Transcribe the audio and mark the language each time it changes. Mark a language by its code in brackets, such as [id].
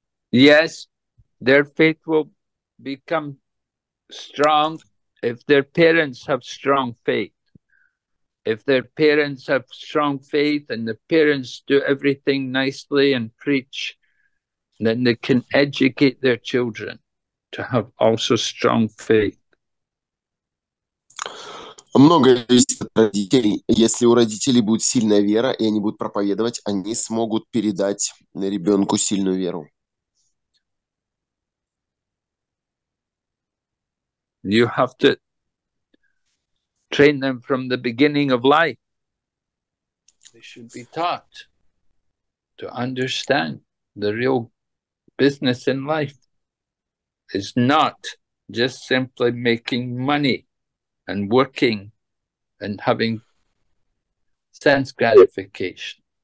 [en] Yes, their faith will become strong if their parents have strong faith. If their parents have strong faith and the parents do everything nicely and preach, then they can educate their children to have also strong faith. [ru] Много зависит от родителей. Если у родителей будет сильная вера, и они будут проповедовать, они смогут передать ребенку сильную веру. [en] You have to train them from the beginning of life. They should be taught to understand the real business in life is not just simply making money and working and having sense gratification.